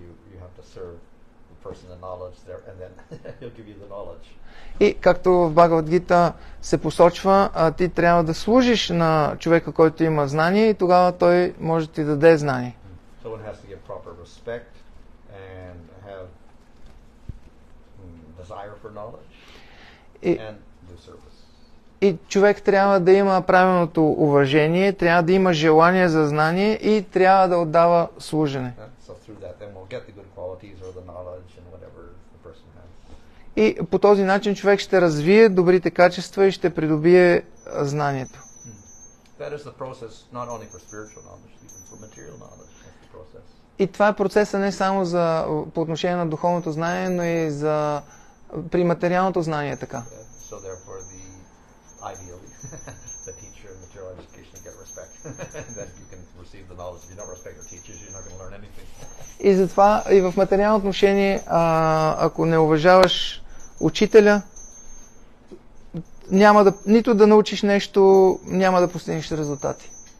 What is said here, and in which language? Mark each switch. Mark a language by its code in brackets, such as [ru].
[en] You have to serve the person the knowledge there, and then he'll give you the knowledge. [bg] И както в Bhagavad Gita се посочва, ти трябва да служиш на човека, който има знание, и тогава той може ти даде знание. [en] So one has to get proper respect and have desire for knowledge and do service. [bg] И човек трябва да има правилното уважение, трябва да има желание за знание и трябва да отдава служене. [en] So through that then we'll get the good qualities or the knowledge and whatever the person has. [bg] И по този начин човек ще развие добрите качества и ще придобие знанието. [en] That is the process not only for spiritual knowledge, even for material knowledge. That's the process. [bg] И това е процеса не само за по отношение на духовното знание, но и за при материалното знание така. [en] So therefore the ideally the teacher and material education get respect. That you can receive the knowledge. If you don't respect your teachers, you're not going to learn anything. [bg] И затова и в материално отношение, ако не уважаваш учителя, няма да нито да научиш нещо, няма да постигнеш резултати.